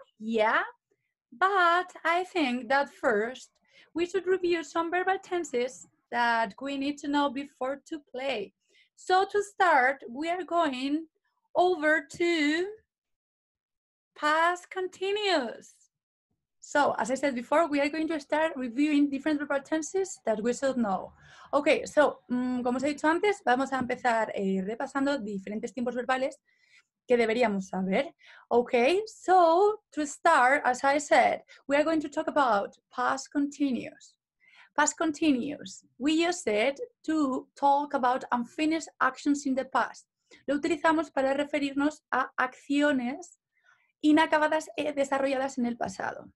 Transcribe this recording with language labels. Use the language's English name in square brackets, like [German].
[English] Yeah, but I think that first we should review some verbal tenses that we need to know before to play. So to start, we are going over to past continuous. So, as I said before, we are going to start reviewing different verbal tenses that we should know. [Spanish] Okay, so, como os he dicho antes, vamos a empezar repasando diferentes tiempos verbales que deberíamos saber. [English] Okay, so, to start, as I said, we are going to talk about past continuous. Past continuous. We use it to talk about unfinished actions in the past. [Spanish] Lo utilizamos para referirnos a acciones inacabadas y desarrolladas en el pasado.